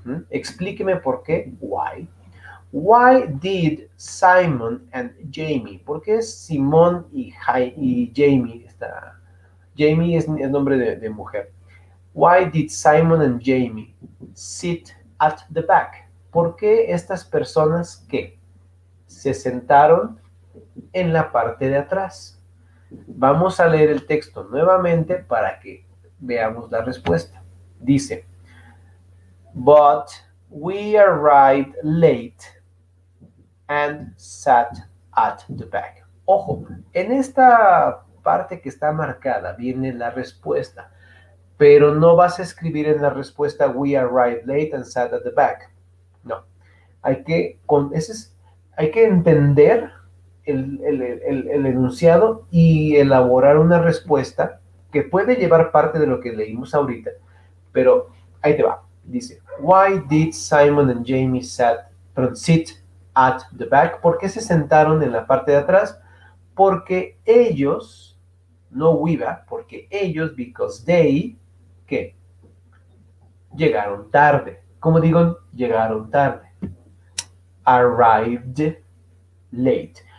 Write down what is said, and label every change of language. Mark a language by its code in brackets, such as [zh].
[es] Explíqueme por qué. [en] Why. Why did Simon and Jamie? [es] ¿Por qué Simón y Jamie? Está, Jamie es el nombre de mujer. [en] Why did Simon and Jamie sit at the back? [es] ¿Por qué estas personas que se sentaron en la parte de atrás? Vamos a leer el texto nuevamente para que veamos la respuesta. [en] Dice, but we arrived late and sat at the back. [es] Ojo, en esta parte que está marcada viene la respuesta, pero no vas a escribir en la respuesta [en] we arrived late and sat at the back. [es] No, hay que entender el enunciado y elaborar una respuesta que puede llevar parte de lo que leímos ahorita, pero ahí te va. [en] Dice, why did Simon and Jamie sit at the back? [es] ¿Por qué se sentaron en la parte de atrás? Porque ellos, no we, porque ellos, [en] because they, [es] ¿qué? Llegaron tarde. ¿Cómo digo? Llegaron tarde. [en] Arrived late.